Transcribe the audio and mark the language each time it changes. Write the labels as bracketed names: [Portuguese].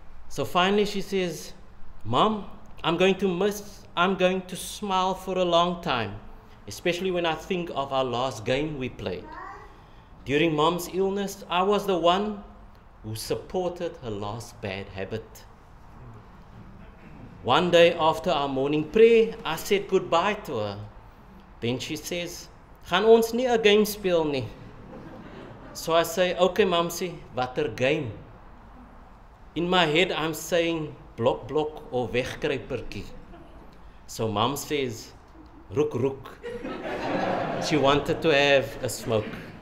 [English] So finally she says, mom, I'm going to smile for a long time, especially when I think of our last game we played. During mom's illness, I was the one who supported her last bad habit. One day after our morning prayer, I said goodbye to her. Then she says, [Afrikaans] gaan ons nie 'n game speel nie. [English] So I say, okay, mamsi, [Afrikaans] watter game? [English] In my head, I'm saying, [Afrikaans] blok, blok, [English] or [Afrikaans] wegkruiperkie. [English] So mom says, [Afrikaans] rook, rook. [English] She wanted to have a smoke.